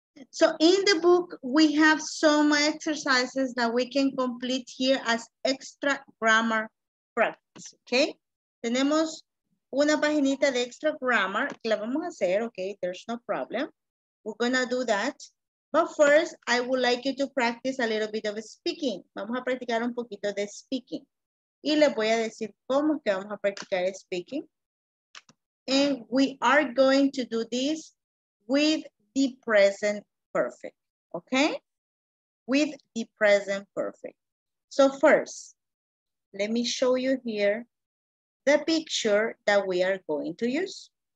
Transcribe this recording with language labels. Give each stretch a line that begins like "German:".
English: So in the book, we have some exercises that we can complete here as extra grammar practice, ok?
Spanish: Tenemos una paginita de extra grammar, la vamos a hacer, ok?
English: There's no problem. We're gonna do that. But first, I would like you to practice a little bit of speaking.
Spanish: Vamos a practicar un poquito de speaking. Y les voy a decir cómo que vamos a practicar speaking.
English: And we are going to do this with the present perfect, okay? With the present perfect. So first, let me show you here the picture that we are going to use.